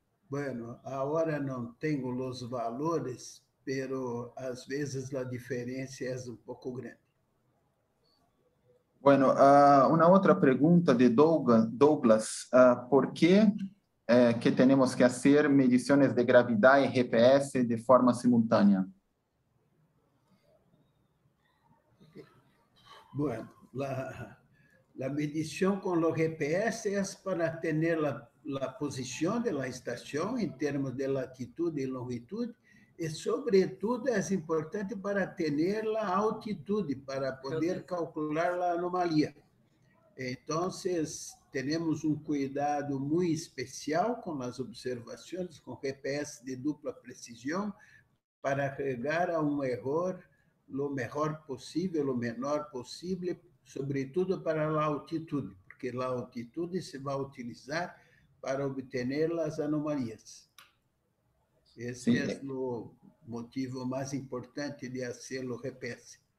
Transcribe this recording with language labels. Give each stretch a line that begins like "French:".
Portuguese: Bueno, agora não tenho os valores, pero às vezes a diferença é um pouco grande. Bueno, uma outra pergunta de Douglas, por que que temos que fazer medições de gravidade e GPS de forma simultânea?
Spanish: Bueno, la medición con los GPS es para tener la posición de la estación en términos de latitud y longitud, y sobre todo es importante para tener la altitud, para poder calcular la anomalía. Entonces, tenemos un cuidado muy especial con las observaciones con GPS de dupla precisión para llegar a un error lo mejor posible, lo menor posible,
Portuguese: sobretudo para a altitude, porque a altitude se vai utilizar para obter as anomalias. Esse é o motivo mais importante de fazer o GPS.